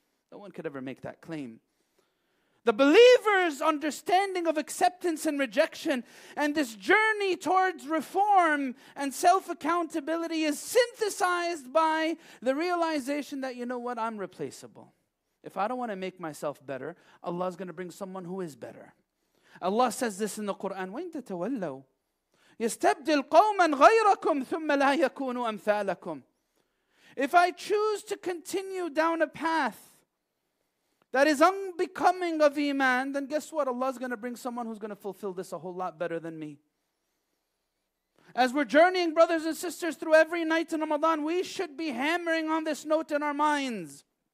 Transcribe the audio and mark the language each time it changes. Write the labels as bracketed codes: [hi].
[en] No one could ever make that claim. The believer's understanding of acceptance and rejection and this journey towards reform and self-accountability is synthesized by the realization that, you know what, I'm replaceable. If I don't want to make myself better, Allah's going to bring someone who is better. Allah says this in the Quran, [ar] وَإِن تَتَوَلَّوْا يَسْتَبْدِلْ قَوْمًا غَيْرَكُمْ ثُمَّ لَا يَكُونُوا أَمْثَالَكُمْ. [en] If I choose to continue down a path that is unbecoming of Iman, then guess what? Allah is going to bring someone who's going to fulfill this a whole lot better than me. As we're journeying, brothers and sisters, through every night in Ramadan, we should be hammering on this note in our minds.